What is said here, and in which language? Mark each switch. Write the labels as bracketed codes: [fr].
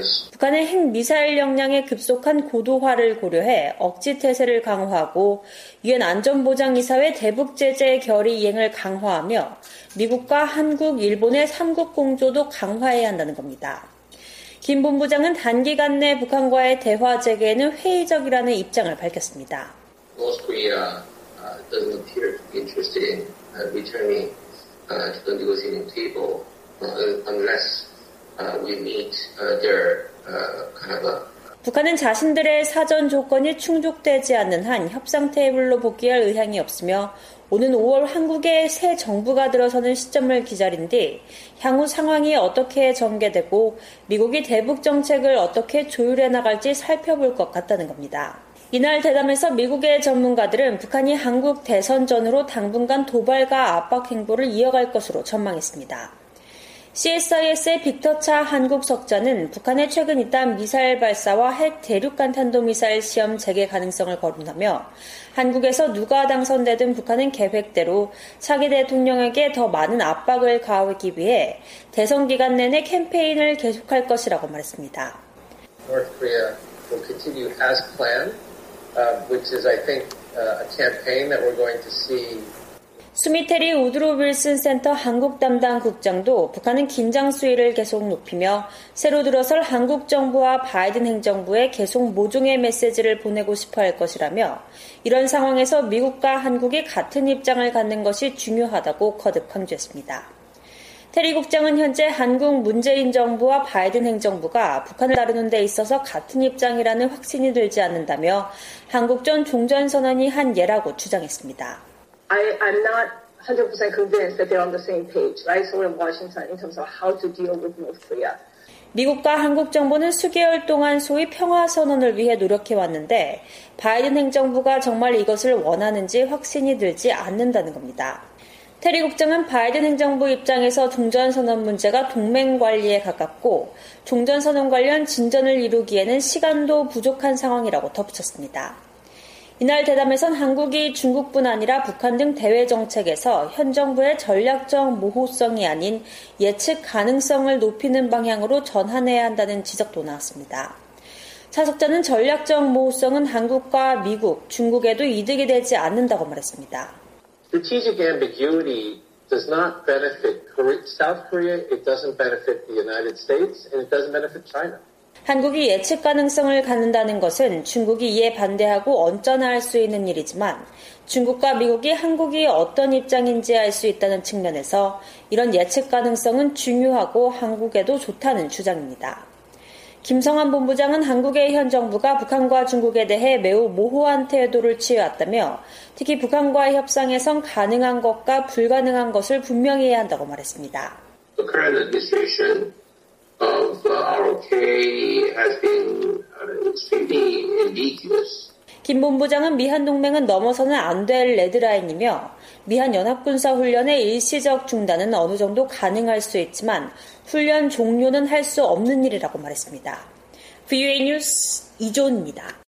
[ko] 북한의 핵미사일 역량의 급속한 고도화를 고려해 억지 태세를 강화하고 유엔 안전보장이사회 대북 제재 결의 이행을 강화하며 미국과 한국, 일본의 3국 공조도 강화해야 한다는 겁니다. 김 본부장은 단기간 내 북한과의 대화 재개는 회의적이라는 입장을 밝혔습니다. [en] North Korea doesn't appear to be interested in returning to the negotiating table unless we meet their kind of. [ko] 북한은 자신들의 사전 조건이 충족되지 않는 한 협상 테이블로 복귀할 의향이 없으며 오는 5월 한국의 새 정부가 들어서는 시점을 기다린 뒤 향후 상황이 어떻게 전개되고 미국이 대북 정책을 어떻게 조율해 나갈지 살펴볼 것 같다는 겁니다. 이날 대담에서 미국의 전문가들은 북한이 한국 대선 전으로 당분간 도발과 압박 행보를 이어갈 것으로 전망했습니다. CSIS의 빅터 차 한국 석좌는 북한의 최근 잇단 미사일 발사와 핵 대륙간 탄도미사일 시험 재개 가능성을 거론하며 한국에서 누가 당선되든 북한은 계획대로 차기 대통령에게 더 많은 압박을 가하기 위해 대선 기간 내내 캠페인을 계속할 것이라고 말했습니다. [en] North Korea will continue as planned, which is, I think, a campaign that we're going to see. [ko] 스미테리 우드로 윌슨 센터 한국 담당 국장도 북한은 긴장 수위를 계속 높이며 새로 들어설 한국 정부와 바이든 행정부에 계속 모종의 메시지를 보내고 싶어 할 것이라며 이런 상황에서 미국과 한국이 같은 입장을 갖는 것이 중요하다고 거듭 강조했습니다. 테리 국장은 현재 한국 문재인 정부와 바이든 행정부가 북한을 다루는 데 있어서 같은 입장이라는 확신이 들지 않는다며 한국 전 종전선언이 한 예라고 주장했습니다. [en] I'm not 100% convinced that they're on the same page, right? Seoul and Washington, in terms of how to deal with North Korea. [ko] 미국과 한국 정부는 수개월 동안 소위 평화 선언을 위해 노력해 왔는데 바이든 행정부가 정말 이것을 원하는지 확신이 들지 않는다는 겁니다. 테리 국장은 바이든 행정부 입장에서 종전선언 문제가 동맹 관리에 가깝고 종전선언 관련 진전을 이루기에는 시간도 부족한 상황이라고 덧붙였습니다. 이날 대담에선 한국이 중국뿐 아니라 북한 등 대외 정책에서 현 정부의 전략적 모호성이 아닌 예측 가능성을 높이는 방향으로 전환해야 한다는 지적도 나왔습니다. 차석자는 전략적 모호성은 한국과 미국, 중국에도 이득이 되지 않는다고 말했습니다. [en] Strategic ambiguity does not benefit South Korea, it doesn't benefit the United States, and it doesn't benefit China. [ko] 한국이 예측 가능성을 갖는다는 것은 중국이 이에 반대하고 언짢아할 수 있는 일이지만 중국과 미국이 한국이 어떤 입장인지 알 수 있다는 측면에서 이런 예측 가능성은 중요하고 한국에도 좋다는 주장입니다. 김성한 본부장은 한국의 현 정부가 북한과 중국에 대해 매우 모호한 태도를 취해왔다며 특히 북한과의 협상에선 가능한 것과 불가능한 것을 분명히 해야 한다고 말했습니다. [en] The current administration of ROK has been extremely ambiguous. [ko] 김 본부장은 미한 동맹은 넘어서는 안 될 레드라인이며 미한 연합군사 훈련의 일시적 중단은 어느 정도 가능할 수 있지만 훈련 종료는 할 수 없는 일이라고 말했습니다. VOA 뉴스 이조은입니다.